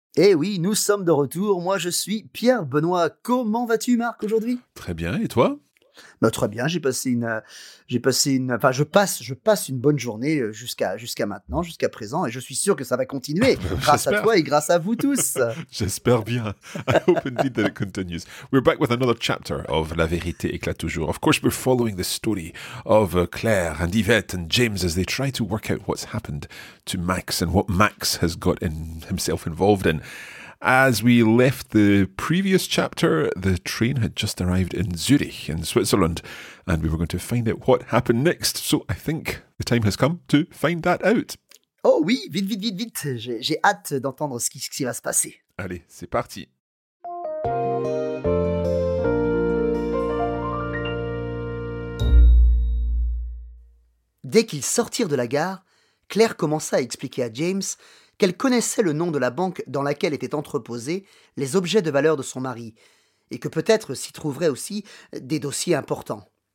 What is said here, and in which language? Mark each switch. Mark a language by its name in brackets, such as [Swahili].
[French] Eh oui, nous sommes de retour. Moi, je suis Pierre Benoît. Comment vas-tu, Marc, aujourd'hui ? Très bien. Et toi ? Bah, très bien. Je passe une bonne journée jusqu'à maintenant, jusqu'à présent. Et je suis sûr que ça va continuer grâce à toi et grâce à vous tous. J'espère bien. [English] I hope indeed that it continues. We're back with another chapter of La Vérité éclate toujours. Of course, we're following the story of Claire and Yvette and James as they try to work out what's happened to Max and what Max has got himself involved in. As we left the previous chapter, the train had just arrived in Zurich in Switzerland, and we were going to find out what happened next. So I think the time has come to find that out. [French] Oh oui, vite. J'ai hâte d'entendre ce qui va se passer. Allez, c'est parti. Dès qu'ils sortirent de la gare, Claire commença à expliquer à James qu'elle connaissait le nom de la banque dans laquelle étaient entreposés les objets de valeur de son mari, et que peut-être s'y trouveraient aussi des dossiers importants.